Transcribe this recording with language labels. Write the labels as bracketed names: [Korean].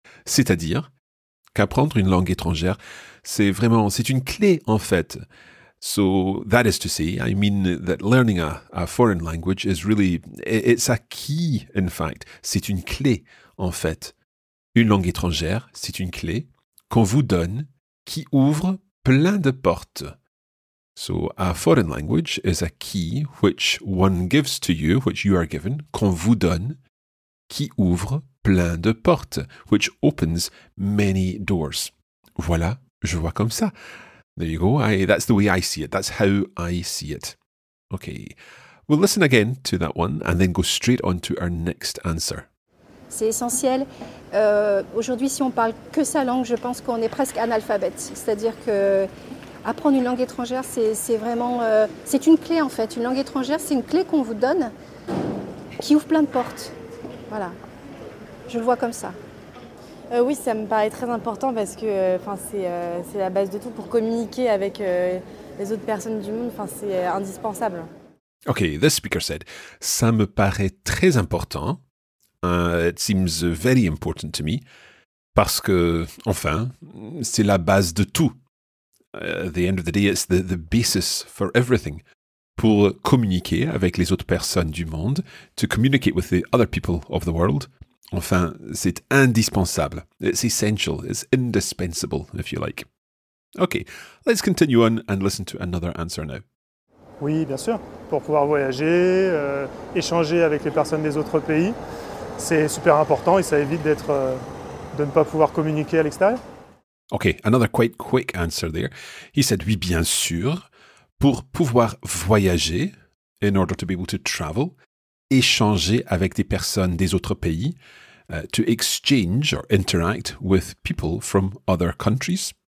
[French] C'est-à-dire qu'apprendre une langue étrangère, c'est une clé, en fait. [English] So that is to say, I mean that learning a foreign language is really, it's a key, in fact. [French] C'est une clé, en fait. Une langue étrangère, c'est une clé qu'on vous donne, qui ouvre plein de portes. [English] So, a foreign language is a key which one gives to you, which you are given, [French] qu'on vous donne, qui ouvre plein de portes, [English] which opens many doors. [French] Voilà, je vois comme ça. [English] There you go, that's the way I see it, that's how I see it. Okay, we'll listen again to that one and then go straight on to our next answer. [French] C'est essentiel. Aujourd'hui, si on parle que sa langue, je pense qu'on est presque analphabète. C'est-à-dire que apprendre une langue étrangère, c'est vraiment... c'est une clé, en fait. Une langue étrangère, c'est une clé qu'on vous donne qui ouvre plein de portes. Voilà. Je le vois comme ça. Oui, ça me paraît très important parce que c'est la base de tout pour communiquer avec les autres personnes du monde. C'est indispensable. [English] OK, this speaker said, [French] ça me paraît très important... [English] it seems very important to me, [French] parce que, enfin, c'est la base de tout. [English] At the end of the day, it's the basis for everything. [French] Pour communiquer avec les autres personnes du monde, [English] to communicate with the other people of the world, [French] enfin, c'est indispensable. [English] It's essential, it's indispensable, if you like. Okay, let's continue on and listen to another answer now. [French] Oui, bien sûr, pour pouvoir voyager, échanger avec les personnes des autres pays. C'est super important et ça évite d'être de ne pas pouvoir communiquer à l'extérieur. [English] Okay, another quite quick answer there. He said, [French] oui, bien sûr, pour pouvoir voyager, [English] in order to be able to travel, [French] échanger avec des personnes des autres pays, [English] to exchange or interact with people from other countries.